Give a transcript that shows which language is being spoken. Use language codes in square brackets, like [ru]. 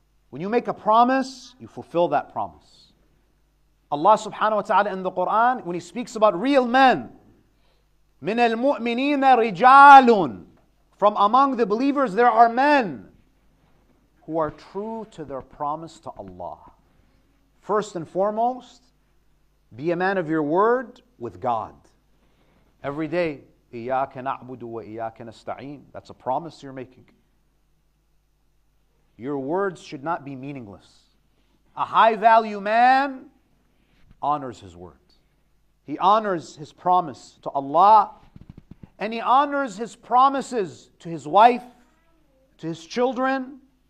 [en] When you make a promise, you fulfill that promise. Allah subhanahu wa ta'ala in the Qur'an, when He speaks about real men, [ar] مِنَ الْمُؤْمِنِينَ رِجَالٌ, [en] from among the believers there are men who are true to their promise to Allah. First and foremost, be a man of your word with God. Every day, [ar] إِيَّاكَ نَعْبُدُ وَإِيَّاكَ نَسْتَعِينَ. [en] That's a promise you're making. Your words should not be meaningless. A high-value man honors his word. He honors his promise to Allah, and he honors his promises to his wife, to his children.